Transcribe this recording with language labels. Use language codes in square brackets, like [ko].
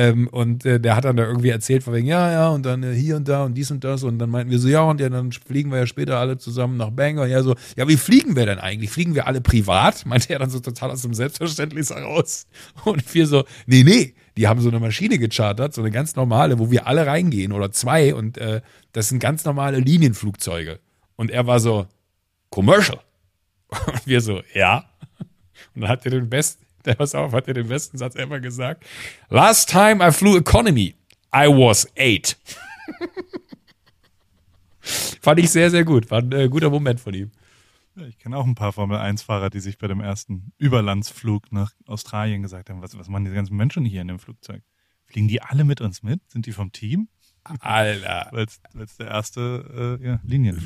[de] und der hat dann da irgendwie erzählt, von wegen, ja, und dann hier und da und dies und das, und dann meinten wir so, ja, und ja, dann fliegen wir ja später alle zusammen nach Bangor, ja, so, ja, wie fliegen wir denn eigentlich, fliegen wir alle privat, meinte er dann so total aus dem Selbstverständnis heraus, und wir so, nee, die haben so eine Maschine gechartert, so eine ganz normale, wo wir alle reingehen oder zwei, und das sind ganz normale Linienflugzeuge. Und er war so, commercial. Und wir so, ja. Und dann hat er den besten Satz immer gesagt. [en] Last time I flew economy, I was 8. [de] Fand ich sehr, sehr gut. War ein guter Moment von ihm. Ich kenne auch ein paar Formel-1-Fahrer, die sich bei dem ersten Überlandsflug nach Australien gesagt haben, was machen diese ganzen Menschen hier in dem Flugzeug? Fliegen die alle mit uns mit? Sind die vom Team? Alter. Weil es der erste Linien.